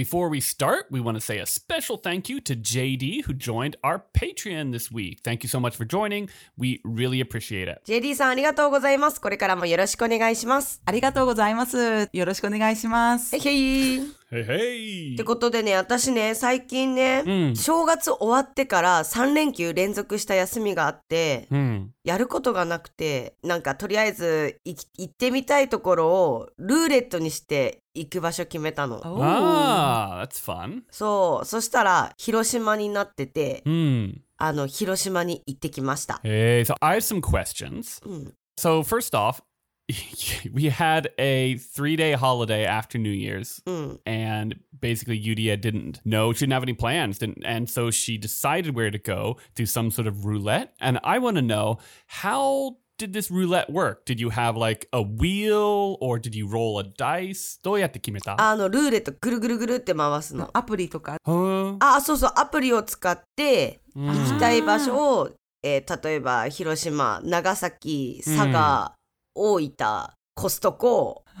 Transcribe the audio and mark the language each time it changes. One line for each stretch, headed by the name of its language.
English: Before we start, we want to say a special thank you to JD who joined our Patreon this week. Thank you so much for joining. We really appreciate it.
Japanese: JD さん、ありがとうございます。これからもよろしくお願いします。ありがとうございます。よろしくお願いします。へへい。
English: Hey, hey.
Japanese: ってことでね、私ね、最近ね、正月終わってから3連休連続した休みがあって、やることがなくて、なんかとりあえず行ってみたいところをルーレットにして行く場所決めたの。
English: Oh. Ah, that's fun.
Japanese: そう、そしたら広島になってて、あの広島に行ってきました。
English: Hey, so I have some questions. So first off,We had a three-day holiday after New Year's, and basically Yuria didn't know. She didn't have any plans, and so she decided where to go through some sort of roulette. And I want to know, how did this roulette work? Did you have, like, a wheel, or did you roll a dice?
Japanese: どうやって決めた? あの、ルーレットぐるぐるぐるって回すの。アプリとか。あ、そうそう、アプリを使って行きたい場所を、例えば広島、長崎、佐賀、大分、コストコ、